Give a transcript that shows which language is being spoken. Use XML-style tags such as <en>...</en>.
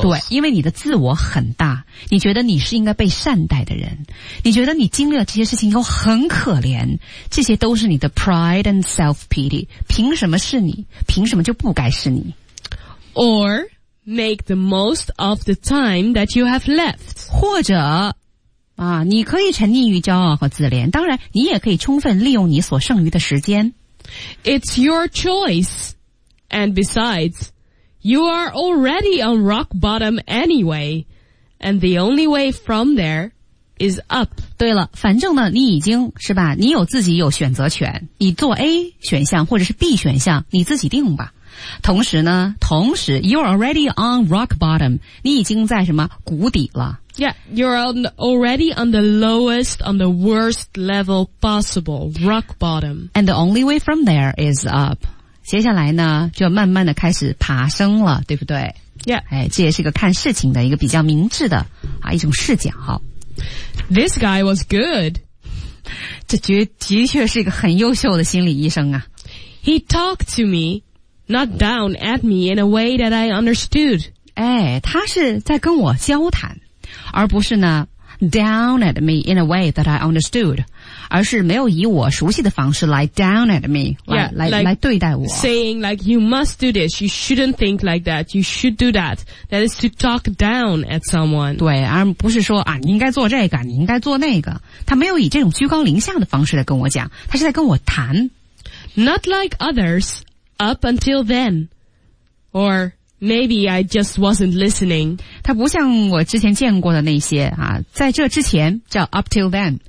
<zh>对，因为你的自我很大，你觉得你是应该被善待的人，你觉得你经历了这些事情又很可怜，这些都是你的</zh> <en>pride and self-pity,</en> <zh>凭什么是你，凭什么就不该是你。</zh> <en>Or make the most of the time that you have left.</en> <zh>或者啊，你可以沉溺于骄傲和自怜，当然你也可以充分利用你所剩余的时间。</zh> <en>It's your choice. And besides, you are already on rock bottom anyway. And the only way from there is up.</en> <zh>对了，反正呢，你已经是吧，你有自己有选择权，你做 A 选项或者是 B 选项，你自己定吧。同时呢，同时</zh> <en>you're already on rock bottom,</en> <zh>你已经在什么谷底了。</zh> <en>Yeah, you're already on the lowest, on the worst level possible, rock bottom. And the only way from there is up.</en> <zh>接下来呢，就慢慢的开始爬升了，对不对？</zh> <en>Yeah.</en> <zh>哎，这也是一个看事情的一个比较明智的啊一种视角。</zh> <en>This guy was good.</en> <zh>这的确是一个很优秀的心理医生啊。</zh> <en>He talked to me, not down at me in a way that I understood.</en> <zh>哎，他是在跟我交谈。而不是呢</zh> <en>down at me in a way that I understood,</en> <zh>而是没有以我熟悉的方式来</zh> <en>down at me,</en> <zh>来对待我。</zh> <en>Saying like, you must do this, you shouldn't think like that, you should do that. That is to talk down at someone.</en> <zh>对，而不是说啊，你应该做这个，你应该做那个。他没有以这种居高临下的方式来跟我讲，他是在跟我谈。</zh> <en>Not like others, up until then. Or,Maybe I just wasn't listening.</en> <zh>他不像我之前见过的那些啊，在这之前叫</zh> <en>up till then、</en>